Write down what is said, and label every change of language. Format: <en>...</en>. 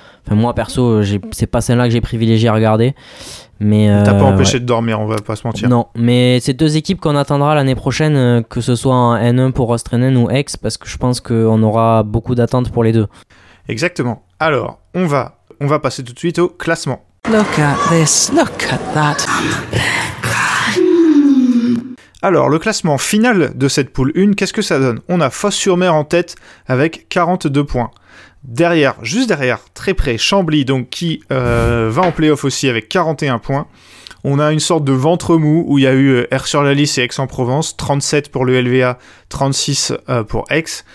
<fr>Enfin, moi perso, c'est pas celle-là que j'ai privilégié à regarder. Mais t'as pas empêché de dormir, on va pas se mentir. Non, mais c'est deux équipes qu'on attendra l'année prochaine, que ce soit en N1 pour Ostrenen ou Aix, parce que je pense qu'on aura beaucoup d'attentes pour les deux. Exactement. Alors, on va passer tout de suite au classement.</fr> <en>Look at this, look at that.</en> <fr>Alors, le classement final de cette poule 1, qu'est-ce que ça donne? On a Fos-sur-Mer en tête avec 42 points. Derrière, juste derrière, très près, Chambly, donc qui va en play-off aussi avec 41 points. On a une sorte de ventre mou où il y a eu Aire-sur-la-Lys et Aix-en-Provence, 37 pour le LVA, 36 pour Aix.</fr>